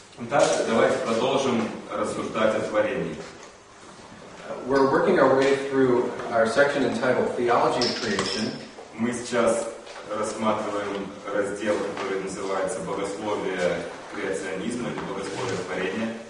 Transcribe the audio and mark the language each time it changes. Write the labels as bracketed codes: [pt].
[ru] Так, давайте продолжим рассуждать о творении. [en] We're working our way through our section entitled Theology of Creation. [ru] Мы сейчас рассматриваем раздел, который называется Богословие креационизма или Богословие творения.